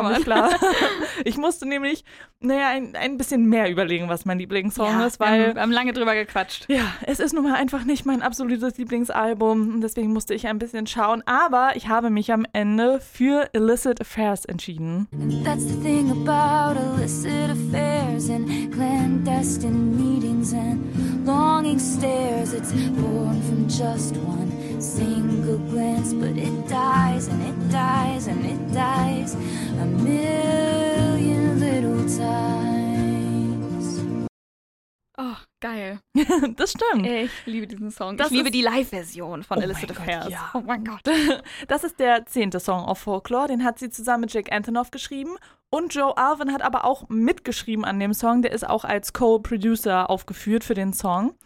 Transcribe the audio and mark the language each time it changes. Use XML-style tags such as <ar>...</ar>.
<de>komm, klar. Ich musste nämlich, naja, ein bisschen mehr überlegen, was mein Lieblingssong ist, weil. Wir haben lange drüber gequatscht. Ja, es ist nun mal einfach nicht mein absolutes Lieblingsalbum. Und deswegen musste ich ein bisschen schauen. Aber ich habe mich am Ende für Illicit Affairs entschieden.</de> <en>And that's the thing about. About illicit affairs and clandestine meetings and longing stares. It's born from just one single glance, but it dies and it dies and it dies a million little times.</en> <de>Oh, geil. Das stimmt. Ich liebe diesen Song. Ich liebe die Live-Version von Illicit Affairs. Ja. Oh mein Gott. Das ist der 10. Song auf Folklore. Den hat sie zusammen mit Jake Antonoff geschrieben. Und Joe Alwyn hat aber auch mitgeschrieben an dem Song. Der ist auch als Co-Producer aufgeführt für den Song.</de>